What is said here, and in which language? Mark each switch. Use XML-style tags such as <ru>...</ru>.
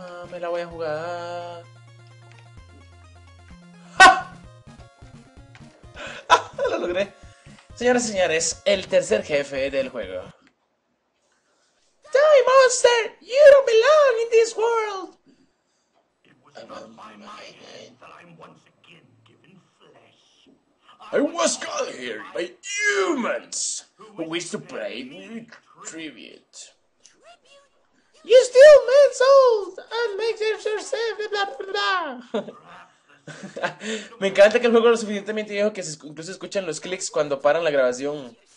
<es>Me la voy a jugar. ¡Ja! Lo logré. Señoras y señores, el tercer jefe del juego.</es> <en>Die, monster! You don't belong in this world! It was not by my hand that I'm once again given flesh. I was called here by humans who wish to pay me tribute. You steal men's souls and make them yourself, blah, blah, blah.</en> <es>Me encanta que el juego lo suficientemente viejo que incluso escuchan los clics cuando paran la grabación.</es>